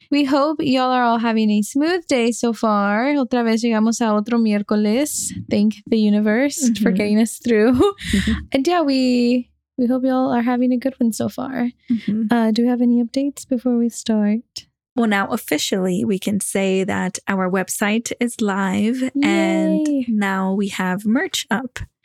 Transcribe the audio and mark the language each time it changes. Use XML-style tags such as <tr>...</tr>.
<en>We hope y'all are all having a smooth day so far.</en> <es>Otra vez llegamos a otro miércoles.</es> <en>Thank the universe for getting us through. And yeah, we hope y'all are having a good one so far. Do we have any updates before we start? Well, now officially we can say that our website is live. Yay. And now we have merch up.</en>